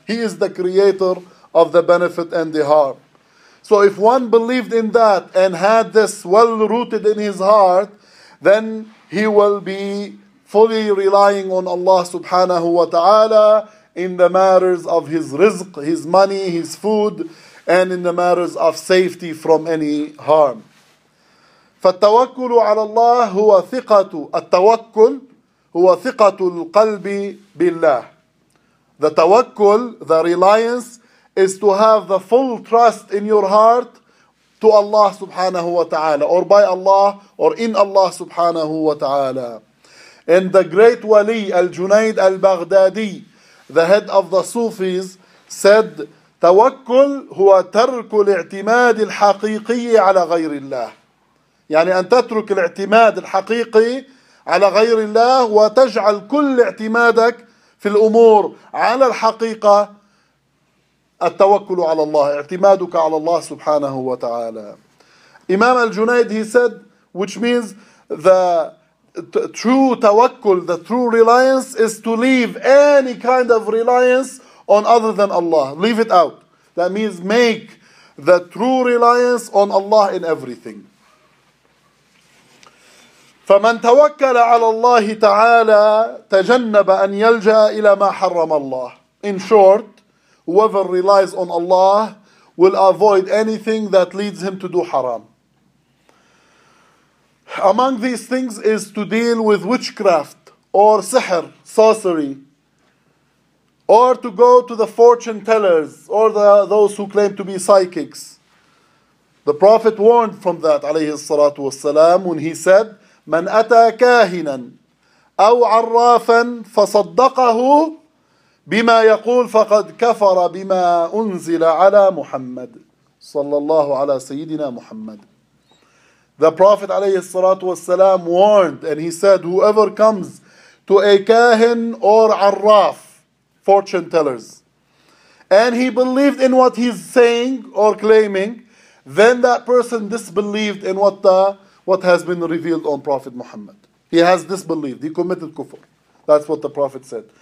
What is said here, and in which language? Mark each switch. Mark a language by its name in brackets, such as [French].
[English] He is the creator of the benefit and the harm. So if one believed in that and had this well rooted in his heart, then he will be fully relying on Allah Subhanahu wa Ta'ala in the matters of his rizq, his money, his food, and in the matters of safety from any harm. [Arabic] فالتوكل على الله هو ثقة، التوكل هو ثقة القلب بالله. [English] The tawakkul, the reliance, is to have the full trust in your heart to Allah Subhanahu wa Ta'ala, or by Allah, or in Allah Subhanahu wa Ta'ala. And the great Wali Al-Junayd Al-Baghdadi, the head of the Sufis, said, [Arabic] "Tawakkul huwa tarku al-i'timad al-haqiqi 'ala ghayr Allah." يعني أن تترك الاعتماد الحقيقي على غير الله وتجعل كل اعتمادك في الأمور على الحقيقة التوكل على الله اعتمادك على الله سبحانه وتعالى. [English] إمام الجنيد he said, which means the true توكل, the true reliance is to leave any kind of reliance on other than Allah, leave it out. That means make the true reliance on Allah in everything. [Arabic] فمن توكل على الله تعالى تجنب أن يلجأ إلى ما حرم الله. [English] In short, whoever relies on Allah will avoid anything that leads him to do haram. Among these things is to deal with witchcraft or sihr, sorcery, or to go to the fortune tellers or those who claim to be psychics. The Prophet warned from that, [Arabic] عليه الصلاة والسلام, [English] when he said, [Arabic] من أتى كاهنا أو عرافا فصدقه بما يقول فقد كفر بما أنزل على محمد صلى الله على سيدنا محمد. [English] The Prophet [Arabic] عليه الصلاة والسلام [English] warned and he said, whoever comes to a kahin or عراف, fortune tellers, and he believed in what he's saying or claiming, then that person disbelieved in what has been revealed on Prophet Muhammad. He has disbelieved. He committed kufr. That's what the Prophet said.